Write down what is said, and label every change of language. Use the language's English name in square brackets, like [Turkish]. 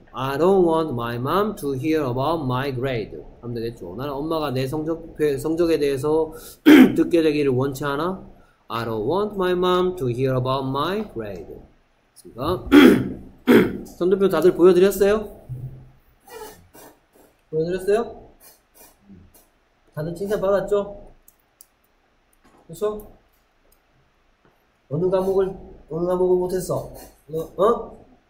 [English] I don't want my mom to hear about my grade. [Korean] 하면 되겠죠. 나는 엄마가 내 성적에 대해서 듣게 되기를 원치 않아? [English] I don't want my mom to hear about my grade. [Korean] 성적표 다들 보여드렸어요? 보여드렸어요? 다들 칭찬 받았죠? 그쵸? 어느 과목을 못했어? 어?